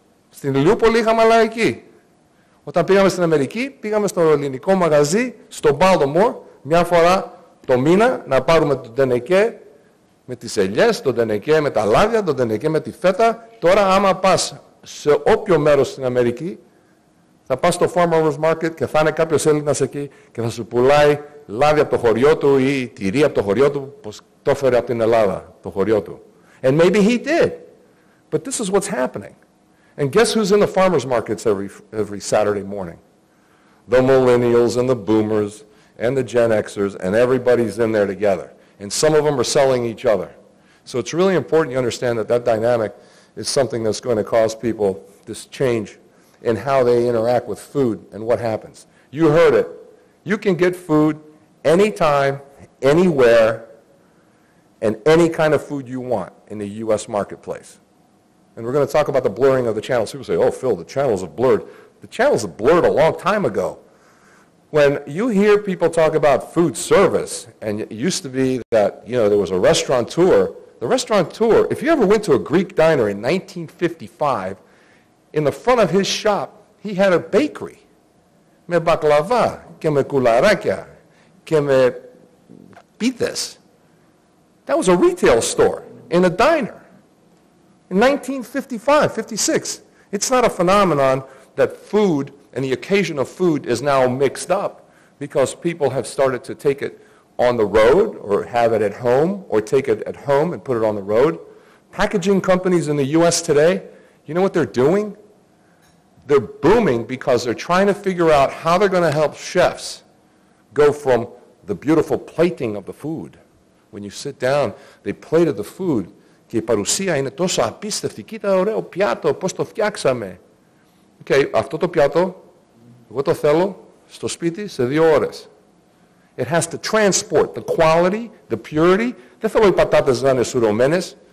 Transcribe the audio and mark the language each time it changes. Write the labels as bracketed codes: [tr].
[el] Στην Ηλιούπολη είχαμε Ilaiki. Όταν πήγαμε στην Αμερική, πήγαμε στο ελληνικό μαγαζί, στο Baltimore, μια φορά το μήνα, να πάρουμε το τενεκέ με τις ελιές, το τενεκέ με τα λάδια, το τενεκέ με τη φέτα. Τώρα άμα πας σε όποιο μέρος στην Αμερική, θα πας στο farmer's market και θα είναι κάποιος Έλληνας εκεί και θα σου πουλάει λάδι από το χωριό του ή τυρί από το χωριό του, πως το έφερε από την Ελλάδα, το χωριό του. [en] And maybe he did. But this is what's happening. And guess who's in the farmer's markets every Saturday morning? The millennials and the boomers and the Gen Xers, and everybody's in there together. And some of them are selling each other. So it's really important you understand that that dynamic is something that's going to cause people this change in how they interact with food and what happens. You heard it. You can get food anytime, anywhere, and any kind of food you want in the U.S. marketplace. And we're going to talk about the blurring of the channels. People say, oh, Phil, the channels have blurred. The channels have blurred a long time ago. When you hear people talk about food service, and it used to be that, you know, there was a restaurateur. The restaurateur, if you ever went to a Greek diner in 1955, in the front of his shop, he had a bakery. [el] Με μπακλαβά, και με κουλαράκια, και με πίτες. [en] That was a retail store in a diner. In 1955, 56. It's not a phenomenon that food and the occasion of food is now mixed up because people have started to take it on the road or have it at home or take it at home and put it on the road. Packaging companies in the U.S. today, you know what they're doing? They're booming because they're trying to figure out how they're going to help chefs go from the beautiful plating of the food. When you sit down, they plated the food. [el] Και η παρουσία είναι τόσο απίστευτη. Κοίτα ωραίο πιάτο, πώς το φτιάξαμε. Okay, αυτό το πιάτο, εγώ το θέλω στο σπίτι σε 2 ώρες. [en] It has to transport the quality, the purity. [el] Δεν θέλω οι πατάτες να είναι σουρωμένες.